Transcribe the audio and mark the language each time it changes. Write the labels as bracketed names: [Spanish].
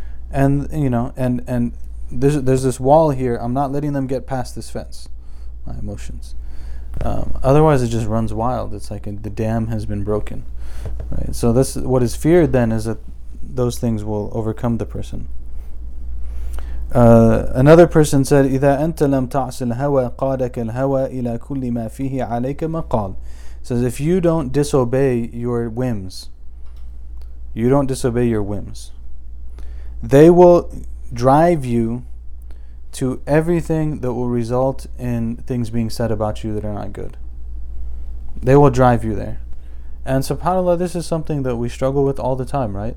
[English] And, you know, and there's this wall here. I'm not letting them get past this fence, my emotions. Otherwise, it just runs wild. It's like the dam has been broken. Right? So this, what is feared then is that those things will overcome the person. Another person said, [Arabic] إِذَا أَنْتَ لَمْ تَعْسِ الْهَوَى قَادَكَ الْهَوَى إِلَى كُلِّ مَا فِيهِ عَلَيْكَ مَقَالٍ. [English] Says, if you don't disobey your whims, you don't disobey your whims, they will drive you to everything that will result in things being said about you that are not good. They will drive you there. And subhanAllah, this is something that we struggle with all the time, right?